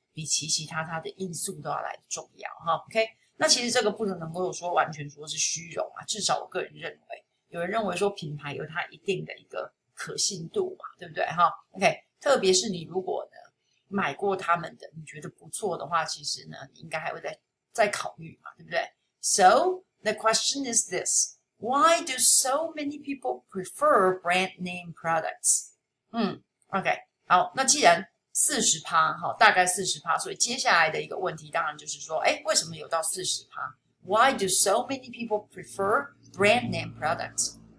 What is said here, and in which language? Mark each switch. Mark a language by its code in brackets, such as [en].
[zh] 比其其他他的因素都要来重要哈。OK， 那其实这个不能够说完全说是虚荣啊，至少我个人认为，有人认为说品牌有它一定的一个可信度嘛，对不对哈 ？OK， 特别是你如果呢买过他们的，你觉得不错的话，其实呢你应该还会再考虑嘛，对不对 ？So. [en] The question is this, why do so many people prefer brand name products? [zh] OK, 好，那既然 40%, 大概 40%, 所以接下来的一个问题当然就是说，诶，为什么有到 40%? [en] Why do so many people prefer brand name products?